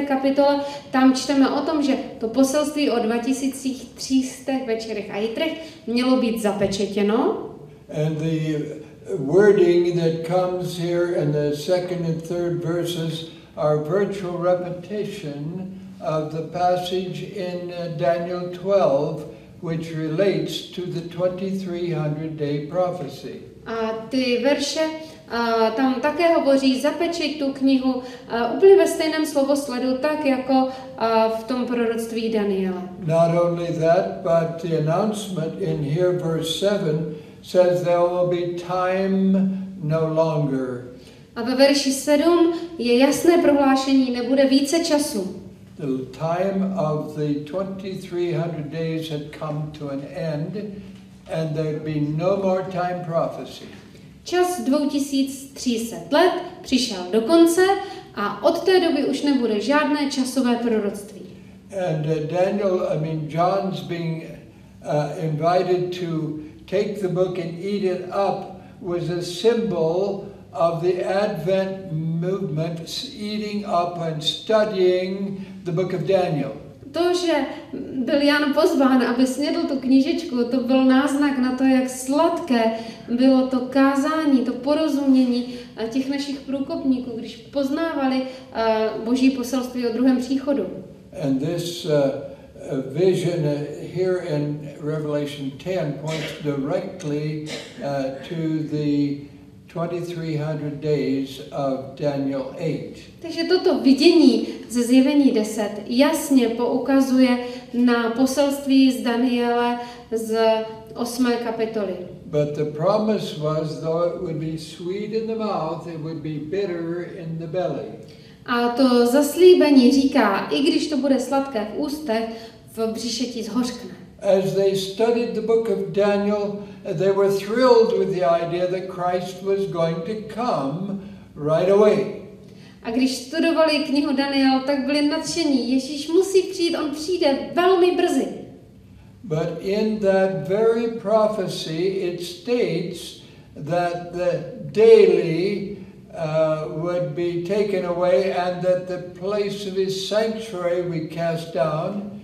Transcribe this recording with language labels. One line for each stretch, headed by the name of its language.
Czech: kapitole, tam čteme o tom, že to poselství o 2300 večerech a jitrech mělo být zapečetěno.
English: And the wording that comes here in the second and third verses are virtual repetition of the passage in Daniel 12, which relates to the 2300 day prophecy.
Czech: A ty verše tam také hovoří, zapečeť tu knihu úplně ve stejném slovo sledu, tak jako v tom proroctví Daniela.
English: Not only that, but the announcement in here, verse 7, says there will be time no longer.
Czech: A ve verši 7 je jasné prohlášení, nebude více času.
English: The time of the 2300 days had come to an end, and there'd be no more time prophecy.
Czech: Čas 2300 let přišel do konce a od té doby už nebude žádné časové proroctví.
English: And John's being invited to take the book and eat it up was a symbol of the Advent movement eating up and studying the book of Daniel.
Czech: To, že byl Jan pozván, aby snědl tu knížečku, to byl náznak na to, jak sladké bylo to kázání, to porozumění těch našich průkopníků, když poznávali Boží poselství o druhém příchodu.
English: And this vision here in Revelation 10 points directly to the 2300 days of Daniel 8.
Czech: Takže toto vidění ze zjevení 10 jasně poukazuje na poselství z Daniele z 8. kapitoly.
English: But the promise was, though it would be sweet in the mouth, it would be bitter in the belly.
Czech: A to zaslíbení říká, i když to bude sladké v ústech, v břiše ti zhořkne.
English: As they studied the book of Daniel, they were thrilled with the idea that Christ was going to come right away.
Czech: A když studovali knihu Daniel, tak byli nadšení. Ježíš musí přijít, on přijde velmi brzy.
English: But in that very prophecy, it states that the daily would be taken away and that the place of his sanctuary we cast down.